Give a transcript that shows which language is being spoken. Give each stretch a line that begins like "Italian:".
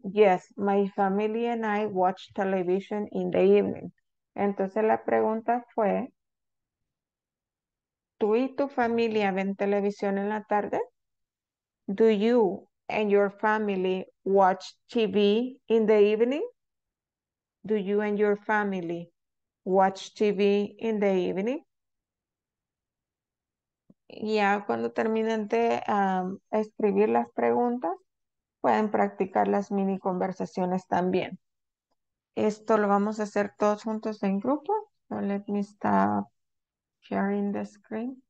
English: Yes, my family and I watch television in the evening.
Spanish: Entonces la pregunta fue, ¿tú y tu familia ven televisión en la tarde?
English: Do you and your family watch TV in the evening? Do you and your family watch TV in the evening?
Spanish: Ya cuando terminen de escribir las preguntas, pueden practicar las mini conversaciones también. Esto lo vamos a hacer todos juntos en grupo.
English: So let me stop sharing the screen.